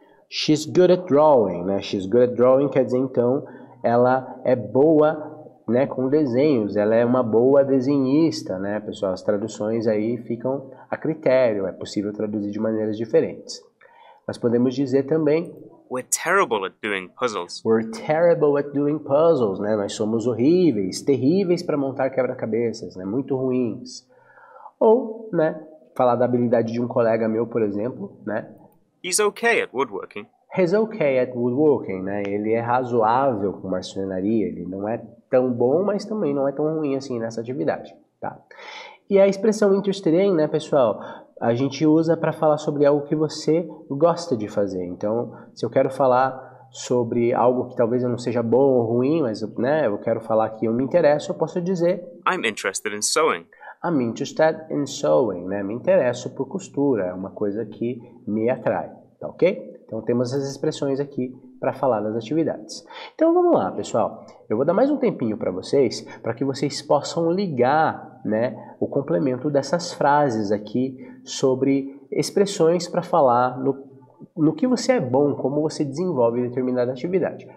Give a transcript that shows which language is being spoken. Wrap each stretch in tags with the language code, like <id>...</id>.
<en>She's good at drawing, né? She's good at drawing</en> <pt>quer dizer, então, ela é boa, né, com desenhos. Ela é uma boa desenhista, né, pessoal? As traduções aí ficam a critério. É possível traduzir de maneiras diferentes. Nós podemos dizer também...</pt> <en>We're terrible at doing puzzles. We're terrible at doing puzzles, né?</en> <pt>Nós somos horríveis, terríveis para montar quebra-cabeças, né? Muito ruins. Ou, né... Falar da habilidade de um colega meu, por exemplo, né?</pt> <en>He's okay at woodworking. He's okay at woodworking, né?</en> <pt>Ele é razoável com marcenaria. Ele não é tão bom, mas também não é tão ruim assim nessa atividade, tá? E a expressão interested in, né, pessoal? A gente usa para falar sobre algo que você gosta de fazer. Então, se eu quero falar sobre algo que talvez eu não seja bom ou ruim, mas, né, eu quero falar que eu me interesso, eu posso dizer...</pt> <en>I'm interested in sewing. I'm interested in sewing, né?</en> <pt>Me interesso por costura, é uma coisa que me atrai, tá ok? Então temos as expressões aqui para falar das atividades. Então vamos lá, pessoal. Eu vou dar mais um tempinho para vocês, para que vocês possam ligar, né, o complemento dessas frases aqui sobre expressões para falar no que você é bom, como você desenvolve determinada atividade.</pt>